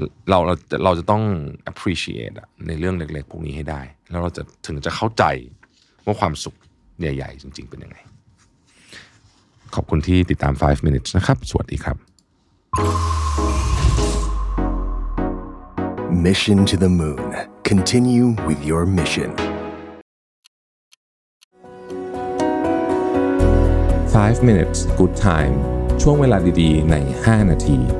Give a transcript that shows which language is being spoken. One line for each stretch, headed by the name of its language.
Thai: เราจะต้อง appreciate ในเรื่องเล็กๆพวกนี้ให้ได้แล้วเราจะถึงจะเข้าใจว่าความสุขใหญ่ๆจริงๆเป็นยังไงขอบคุณที่ติดตาม5 minutes นะครับสวัสดีครับ
English: Mission to the Moon Continue with your mission
Thai: 5 minutes good time ช่วงเวลาดีๆใน5นาที